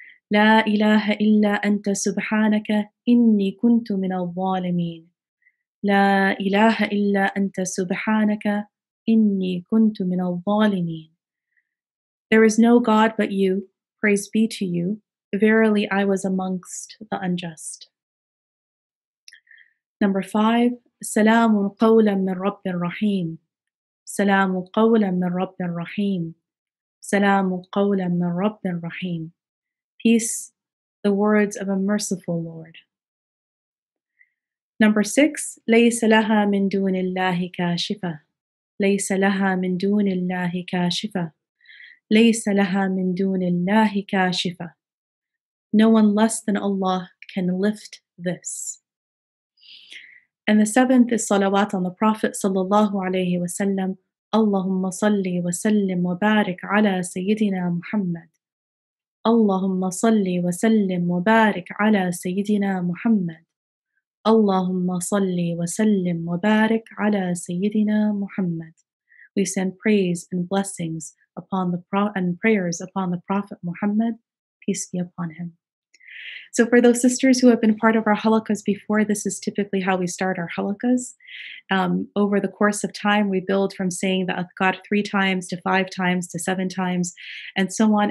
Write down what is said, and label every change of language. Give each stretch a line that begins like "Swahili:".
Arabic: La ilaha illa anta subhanaka inni kuntu min al-zalimin. La ilaha illa anta subhanaka إِنِّي كُنْتُ مِنَ الظَّالِمِينَ.
English: There is no God but you, praise be to you. Verily, I was amongst the unjust. Number five,
Arabic: سَلَامٌ قَوْلًا مِنْ رَبِّ الرَّحِيمِ. سَلَامٌ قَوْلًا مِنْ رَبِّ الرَّحِيمِ. سَلَامٌ قَوْلًا مِنْ رَبِّ الرَّحِيمِ.
English: Peace, the words of a merciful Lord. Number six,
Arabic: لَيْسَ لَهَا مِنْ دُونِ اللَّهِ كَاشِفَةً. ليس لها من دون الله كاشفة. ليس لها من دون الله كاشفة.
English: No one less than Allah can lift this. And the seventh is salawat on the Prophet sallallahu alayhi wa sallam.
Arabic: اللهم صلي وسلم وبارك على سيدنا محمد. اللهم صلي وسلم وبارك على سيدنا محمد. اللهم صلي وسلم وبارك على سيدنا محمد.
English: We send praise and blessings upon the and prayers upon the Prophet Muhammad, peace be upon him. So for those sisters who have been part of our halaqas before, this is typically how we start our halaqas. Over the course of time, we build from saying the adhkar three times to five times to seven times and so on.